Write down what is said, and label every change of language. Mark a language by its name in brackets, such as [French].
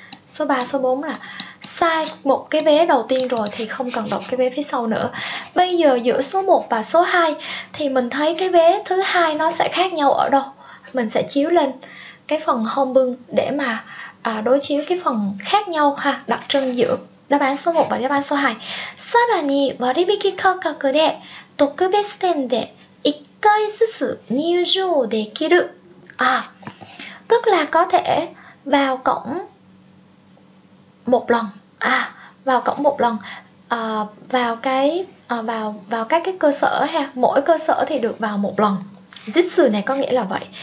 [Vietnamese] Số 3, số 4 là sai một cái vé đầu tiên rồi thì không cần đọc cái vé phía sau nữa. Bây giờ giữa số 1 và số 2 thì mình thấy cái vé thứ hai nó sẽ khác nhau ở đâu? Mình sẽ chiếu lên cái phần home bưng để mà đối chiếu cái phần khác nhau ha, đặc trưng giữa đáp án số 1 và đáp án số 2. [Japanese] さらに割引価格で特別店で1回ずつ入場できる。 [Vietnamese] À, tức là có thể vào cổng một lần. À, vào cổng một lần. À, vào cái à, vào vào các cái cơ sở ha, mỗi cơ sở thì được vào một lần. Jitsu này có nghĩa là vậy.